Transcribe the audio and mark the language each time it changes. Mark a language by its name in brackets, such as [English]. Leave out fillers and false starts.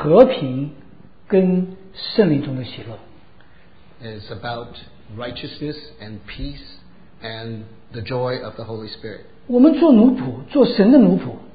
[Chinese] 乃是在神的在公义和平跟圣灵中的喜乐。 [English] It's about righteousness and peace and the joy of the Holy Spirit. [Chinese] 我们做奴仆，做神的奴仆。